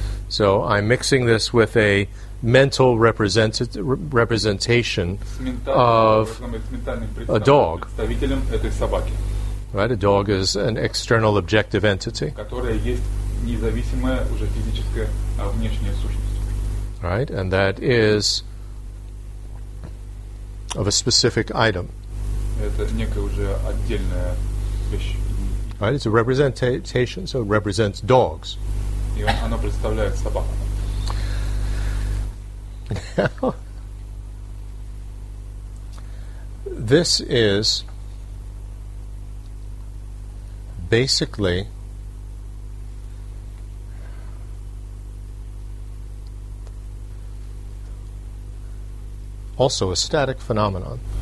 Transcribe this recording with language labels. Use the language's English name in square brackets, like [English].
[English] So I'm mixing this with a mental representation of a dog. [Russian] Представителем этой собаки. [English] Right, a dog is an external objective entity. [Russian] Которая есть независимая уже физическая внешняя сущность. [English] Right, and that is of a specific item. [Russian] Это некая уже отдельная вещь. [English] Right, it's a representation, so it represents dogs. [Russian] И оно представляет собак. [English] This is basically also a static phenomenon.